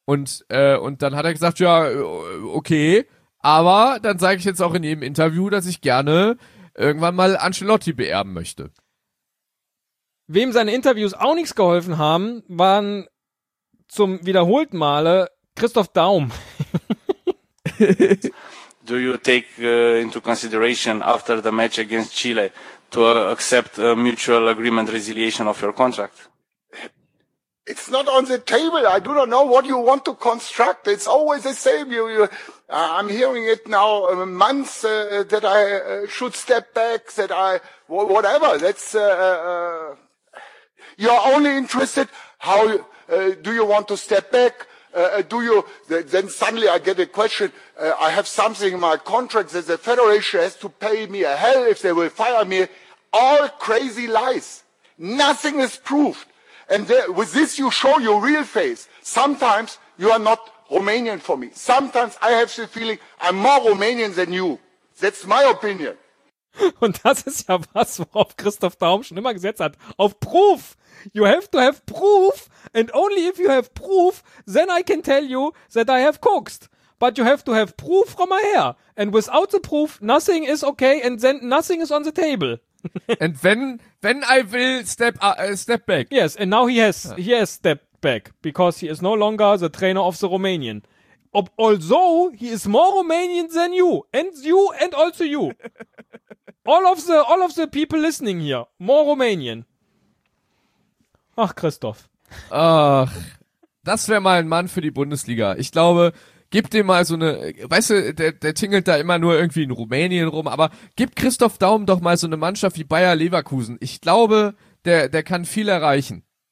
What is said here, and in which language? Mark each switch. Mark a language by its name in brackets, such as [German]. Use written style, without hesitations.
[German] Und dann hat er gesagt, ja, okay. Aber dann sage ich jetzt auch in jedem Interview, dass ich gerne irgendwann mal Ancelotti beerben möchte. Wem seine Interviews auch nichts geholfen haben, waren zum wiederholten Male Christoph Daum. [English] Do you take into consideration after the match against Chile to accept a mutual agreement resiliation of your contract? It's not on the table. I do not know what you want to construct. It's always the same. I'm hearing it now months that I should step back, that I, whatever. That's, you're only interested how, do you want to step back? Then suddenly I get a question. I have something in my contract that the Federation has to pay me a hell if they will fire me. All crazy lies. Nothing is proved. And with this, you show your real face. Sometimes you are not Romanian for me. Sometimes I have the feeling I'm more Romanian than you. That's my opinion. [German] Und das ist ja was, worauf Christoph Daum schon immer gesetzt hat. [English] Auf proof. You have to have proof. And only if you have proof, then I can tell you that I have coaxed. But you have to have proof from my hair. And without the proof, nothing is okay and then nothing is on the table. And when I will step back. Yes, and now he has stepped back because he is no longer the trainer of the Romanian. Although he is more Romanian than you and also you. All of the people listening here, more Romanian. [German] Ach, Christoph. Ach, das wäre mal ein Mann für die Bundesliga. Ich glaube, gib dem mal so eine, weißt du, der tingelt da immer nur irgendwie in Rumänien rum, aber gib Christoph Daum doch mal so eine Mannschaft wie Bayer Leverkusen. Ich glaube, der kann viel erreichen.